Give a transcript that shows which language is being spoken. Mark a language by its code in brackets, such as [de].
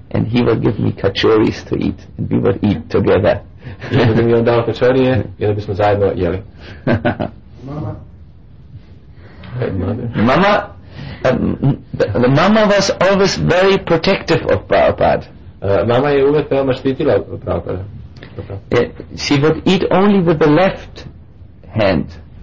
[en] And he would give me kachoris to eat. And we would eat together. [sr] I on bi mi on dao kachorije i da bismo zajedno jeli. [en] Mama. Mama. The mama was always very protective of Prabhupada. [sr] Mama je uvek veoma štitila Prabhupada. [en] She would eat only with the left hand.